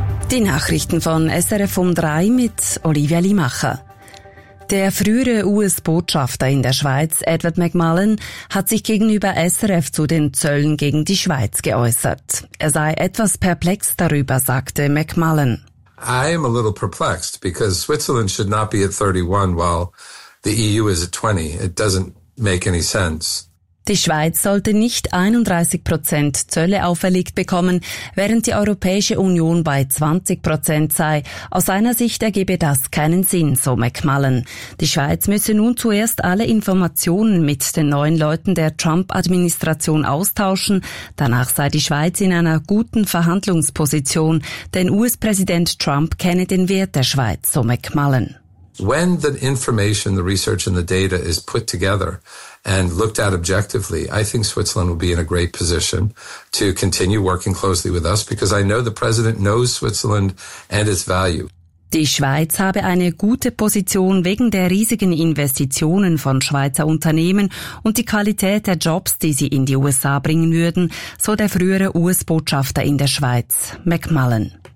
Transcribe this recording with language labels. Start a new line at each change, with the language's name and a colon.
German: Die Nachrichten von SRF um 3 mit Olivia Limacher. Der frühere US-Botschafter in der Schweiz, Edward McMullen, hat sich gegenüber SRF zu den Zöllen gegen die Schweiz geäußert. Er sei etwas perplex darüber, sagte McMullen.
English: I am a little perplexed because Switzerland should not be at 31 while the EU is at 20. It doesn't make any sense.
German: Die Schweiz sollte nicht 31% Zölle auferlegt bekommen, während die Europäische Union bei 20% sei. Aus seiner Sicht ergebe das keinen Sinn, so McMullen. Die Schweiz müsse nun zuerst alle Informationen mit den neuen Leuten der Trump-Administration austauschen. Danach sei die Schweiz in einer guten Verhandlungsposition, denn US-Präsident Trump kenne den Wert der Schweiz, so McMullen.
English: When the information, the research and the data is put together and looked at objectively, I think Switzerland will be in a great position to continue working closely with us because I know the president knows Switzerland and its value.
German: Die Schweiz habe eine gute Position wegen der riesigen Investitionen von Schweizer Unternehmen und die Qualität der Jobs, die sie in die USA bringen würden, so der frühere US-Botschafter in der Schweiz, McMullen.